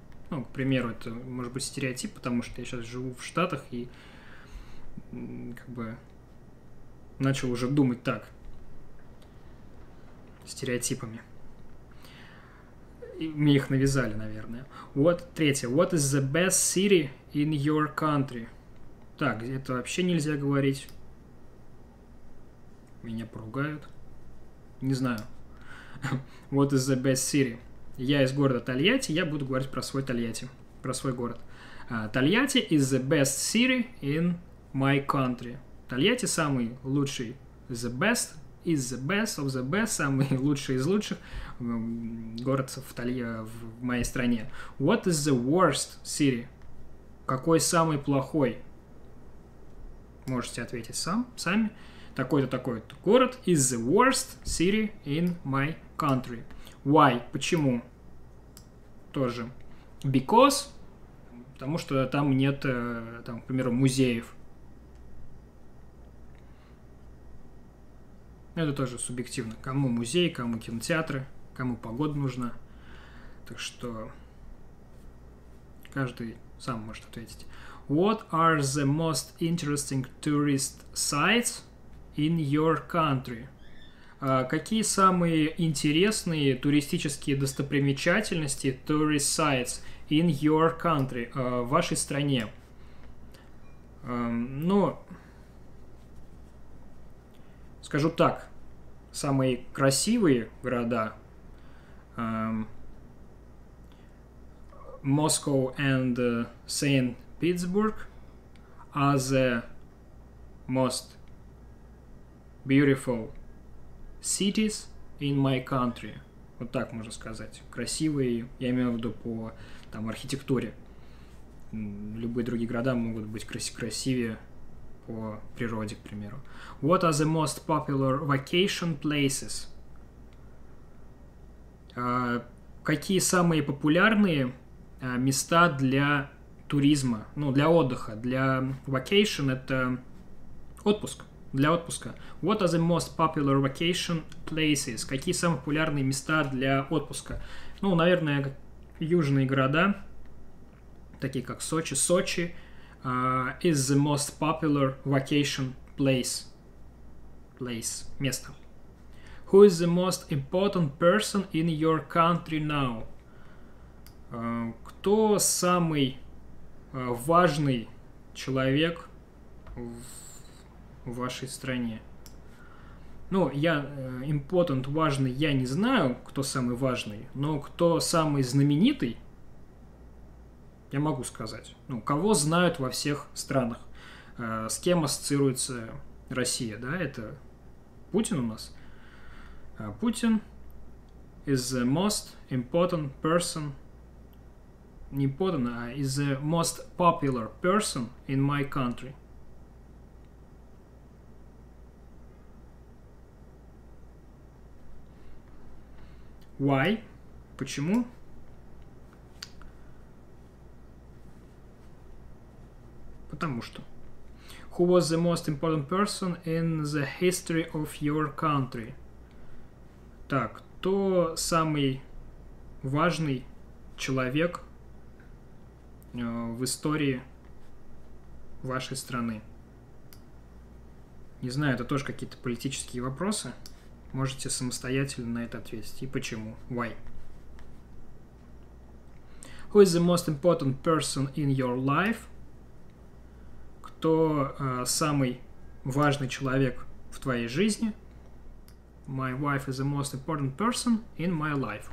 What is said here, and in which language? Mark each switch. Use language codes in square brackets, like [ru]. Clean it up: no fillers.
[ru] Ну, к примеру, это может быть стереотип, потому что я сейчас живу в Штатах и как бы начал уже думать так, стереотипами. Мне их навязали, наверное. Вот третье. [en] What is the best city in your country? [ru] Так, это вообще нельзя говорить. Меня поругают. Не знаю. [en] What is the best city? [ru] Я из города Тольятти, я буду говорить про свой Тольятти. Про свой город. [en] Тольятти is the best city in my country. [ru] Тольятти самый лучший, [en] the best is the best of the [ru] best, самый лучший из лучших город в моей стране. [en] What is the worst city? [ru] Какой самый плохой? Можете ответить сами. Такой-то, такой-то город [en] is the worst city in my country. Why? [ru] Почему? Тоже. [en] Because? [ru] Потому что там нет, там, к примеру, музеев. Это тоже субъективно. Кому музей, кому кинотеатры, кому погода нужна. Так что каждый сам может ответить. [en] What are the most interesting tourist sites in your country? [ru] Какие самые интересные туристические достопримечательности, [en] tourist sites in your country, [ru] в вашей стране? Ну, скажу так, самые красивые города, [en] Moscow and St. Petersburg are the most beautiful cities in my country. [ru] Вот так можно сказать. Красивые, я имею в виду по там архитектуре. Любые другие города могут быть красивее по природе, к примеру. [en] What are the most popular vacation places? [ru] Какие самые популярные места для туризма, ну, для отдыха, для vacation — это отпуск, для отпуска. [en] What are the most popular vacation places? [ru] Какие самые популярные места для отпуска? Ну, наверное, южные города, такие как Сочи. [en] Сочи is the most popular vacation place, место. Who is the most important person in your country now? [ru] Кто самый важный человек в вашей стране? Ну, я important, важный, я не знаю, кто самый важный, но кто самый знаменитый, я могу сказать. Ну, кого знают во всех странах? С кем ассоциируется Россия, да? Это Путин у нас. [en] Путин is the most important person. [ru] Не подано, а [en] is the most popular person in my country. Why? [ru] Почему? Потому что. [en] Who was the most important person in the history of your country? [ru] Так, кто самый важный человек в истории вашей страны? Не знаю, это тоже какие-то политические вопросы. Можете самостоятельно на это ответить. И почему? [en] Why? Who is the most important person in your life? [ru] Кто самый важный человек в твоей жизни? [en] My wife is the most important person in my life.